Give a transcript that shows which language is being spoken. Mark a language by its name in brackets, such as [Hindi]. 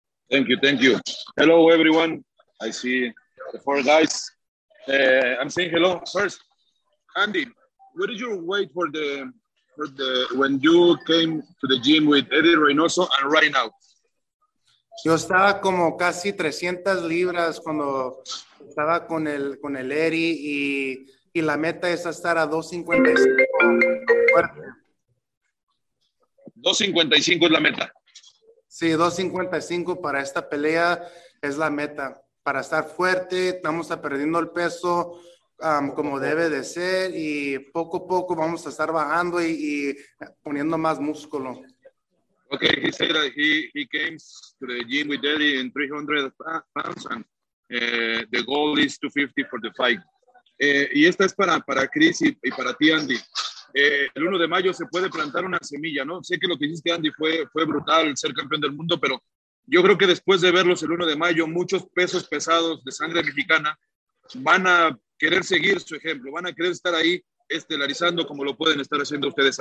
[English] Thank you. Hello, everyone. I see the four guys. I'm saying hello first. Andy, what is your weight for the when you came to the gym with Eddie Reynoso and right now? [Spanish] Yo estaba como casi 300 libras cuando estaba con el Eddie y la meta es estar a 255. 255 es la meta. Sí, 255 para esta pelea es la meta. Para estar fuerte, vamos a perdiendo el peso como debe de ser y poco a poco vamos a estar bajando y poniendo más músculo. [English] Okay, he said that he came to the gym with Eddie in 300 pounds and the goal is 250 for the fight. [Spanish] Y esta es para Chris y para ti, Andy. El 1 de mayo se puede plantar una semilla, ¿no? Sé que lo que hiciste, Andy, fue brutal ser campeón del mundo, pero yo creo que después de verlos el 1 de mayo, muchos pesos pesados de sangre mexicana van a querer seguir su ejemplo, van a querer estar ahí estelarizando como lo pueden estar haciendo ustedes.